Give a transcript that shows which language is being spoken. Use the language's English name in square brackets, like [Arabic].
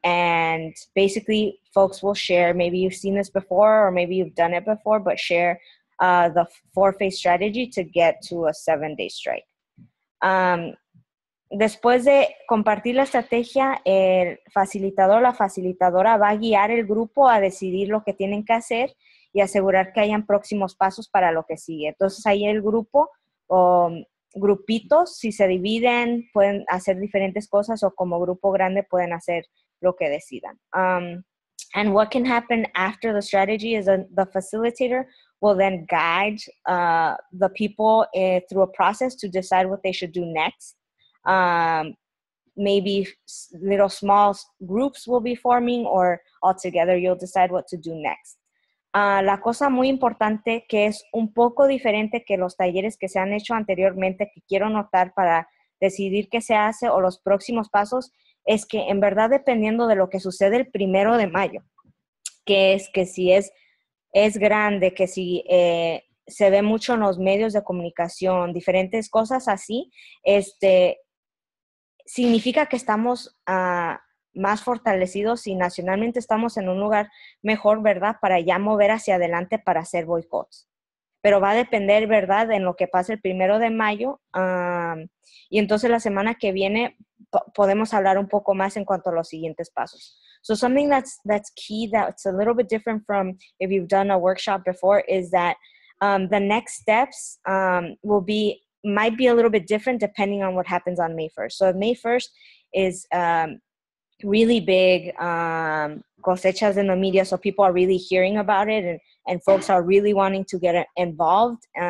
[English] And basically, folks will share, maybe you've seen this before or maybe you've done it before, but share the four-phase strategy to get to a 7-day strike. [Spanish] Después de compartir la estrategia, el facilitador o la facilitadora va a guiar el grupo a decidir lo que tienen que hacer y asegurar que hayan próximos pasos para lo que sigue. Entonces, ahí el grupo o grupitos, si se dividen, pueden hacer diferentes cosas o como grupo grande pueden hacer lo que decidan. [English] And what can happen after the strategy is the facilitator will then guide the people through a process to decide what they should do next. Maybe little small groups will be forming or altogether you'll decide what to do next. [Spanish] La cosa muy importante que es un poco diferente que los talleres que se han hecho anteriormente que quiero notar para decidir qué se hace o los próximos pasos es que en verdad dependiendo de lo que sucede el primero de mayo, que es que si es grande, que si se ve mucho en los medios de comunicación, diferentes cosas así, significa que estamos más fortalecidos y nacionalmente estamos en un lugar mejor, ¿verdad? Para ya mover hacia adelante para hacer boicots. Pero va a depender, ¿verdad? En lo que pase el primero de mayo. Y entonces la semana que viene podemos hablar un poco más en cuanto a los siguientes pasos. [English] So something that's key, that's a little bit different from if you've done a workshop before, is that the next steps will be, might be a little bit different depending on what happens on May 1st. So if May 1st is really big cosechas in the media, so people are really hearing about it and folks are really wanting to get involved,